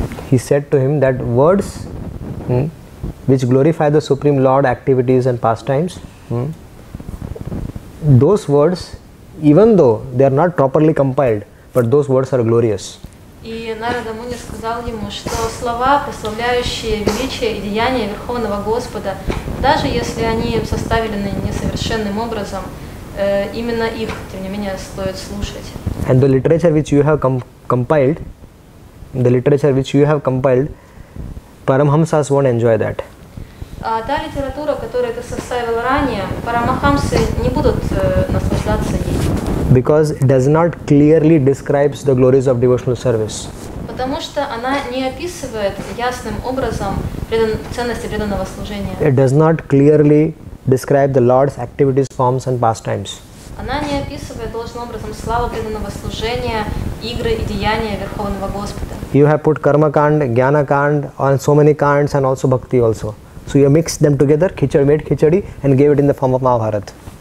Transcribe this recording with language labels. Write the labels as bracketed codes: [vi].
[en] He said to him that words which glorify the Supreme Lord activities and pastimes, those words, even though they are not properly compiled, but those words are glorious. [ru] И Нарада Муни сказал ему, что слова, прославляющие величие и деяния Верховного Господа, даже если они составлены несовершенным образом, именно их, тем не менее, стоит слушать. [en] And the literature which you have compiled, Paramahamsas won't enjoy that. [ru] А та литература, которую ты составил ранее, Парамахамсы не будут наслаждаться ей. [en] Because it does not clearly describes the glories of devotional service. [ru] Потому что она не описывает ясным образом ценности преданного служения. [en] It does not clearly describe the Lord's activities, forms and pastimes. [ru] Она не описывает должным образом славу преданного служения, игры и деяния Верховного Господа. [en] You have put karma kand, jnana kand, and so many kands and also bhakti also. So you mixed them together, khichadi made khichadi and gave it in the form of Mahabharata.